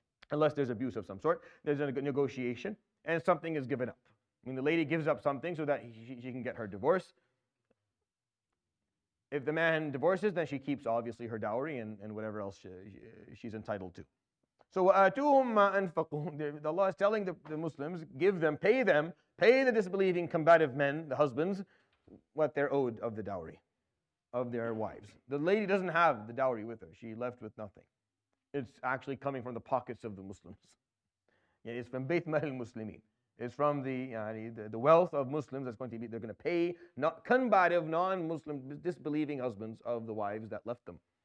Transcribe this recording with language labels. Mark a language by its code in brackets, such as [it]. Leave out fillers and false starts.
[en] Unless there's abuse of some sort, there's a negotiation. And something is given up. I mean, the lady gives up something so that she can get her divorce. If the man divorces, then she keeps, obviously, her dowry and whatever else she's entitled to. [ar] So, وَآتُوهُمْ مَا أَنْفَقُوا. [en] Allah is telling the Muslims, give them, pay the disbelieving combative men, the husbands, what they're owed of the dowry. of their wives. The lady doesn't have the dowry with her. She left with nothing. It's actually coming from the pockets of the Muslims. Yeah, it's from Bayt Mal al-Muslimin. It's from the wealth of Muslims that's going to be, they're going to pay not combative, non-Muslim, disbelieving husbands of the wives that left them.